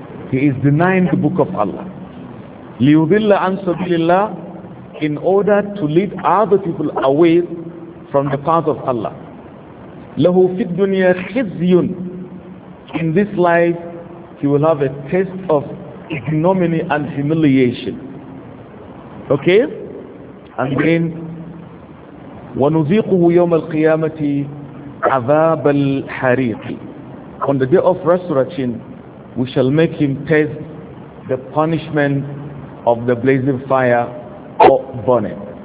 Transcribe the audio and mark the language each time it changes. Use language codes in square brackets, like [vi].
[en] He is denying the book of Allah. [ar] Liyudilla an sabilillah, [en] in order to lead other people away from the path of Allah. [ar] Lahu fi dunya khizyun. [en] In this life, he will have a taste of ignominy and humiliation. Okay? And then, [ar] وَنُذِيقُهُ يَوْمَ الْقِيَامَةِ عَذَابَ الْحَرِيقِ. [en] On the day of resurrection, we shall make him taste the punishment of the blazing fire or burning.